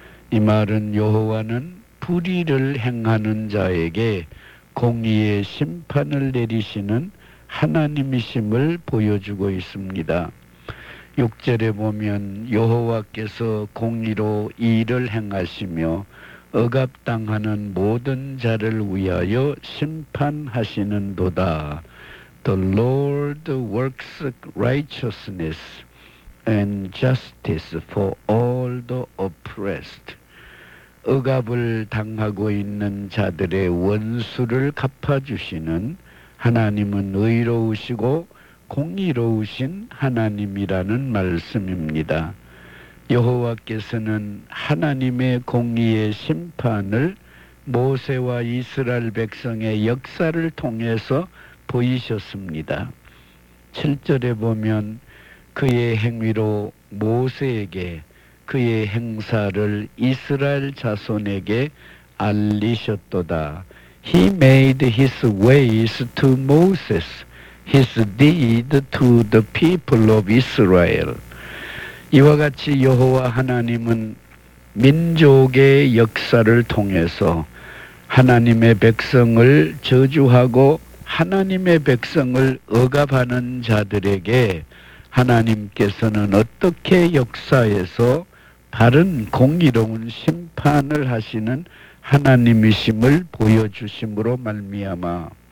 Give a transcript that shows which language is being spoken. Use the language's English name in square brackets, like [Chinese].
[Korean] 이 말은 여호와는 불의를 행하는 자에게 공의의 심판을 내리시는 하나님이심을 보여주고 있습니다. 6절에 보면 여호와께서 공의로 의를 행하시며 억압당하는 모든 자를 위하여 심판하시는 도다. [English] The Lord works righteousness and justice for all the oppressed. [Korean] 억압을 당하고 있는 자들의 원수를 갚아주시는 하나님은 의로우시고 공의로우신 하나님이라는 말씀입니다. 여호와께서는 하나님의 공의의 심판을 모세와 이스라엘 백성의 역사를 통해서 보이셨습니다. 7절에 보면 그의 행위로 모세에게 그의 행사를 이스라엘 자손에게 알리셨도다. [English] He made his ways to Moses, his deed to the people of Israel. [Korean] 이와 같이 여호와 하나님은 민족의 역사를 통해서 하나님의 백성을 저주하고 하나님의 백성을 억압하는 자들에게 하나님께서는 어떻게 역사해서 바른 공의로운 심판을 하시는 하나님이심을 보여주심으로 말미암아